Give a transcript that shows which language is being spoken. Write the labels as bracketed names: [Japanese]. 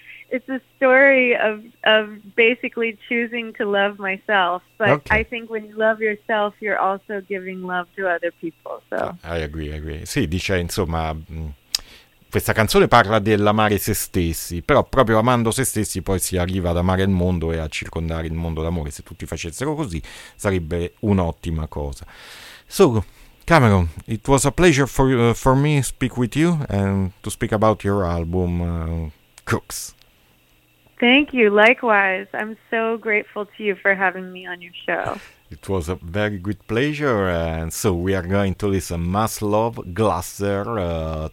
[English] It's a story of basically choosing to love myself. But okay. I think when you love yourself, you're also giving love to other people. So I agree. [Italian] Sì, dice insomma. Questa canzone parla dell'amare se stessi, però proprio amando se stessi poi si arriva ad amare il mondo e a circondare il mondo d'amore. Se tutti facessero così, sarebbe un'ottima cosa. [English] So, Cameron, it was a pleasure for me to speak with you and to speak about your album, Crooks. Thank you, likewise. I'm so grateful to you for having me on your show. It was a very good pleasure, and so we are going to listen Mass Love, Glasser.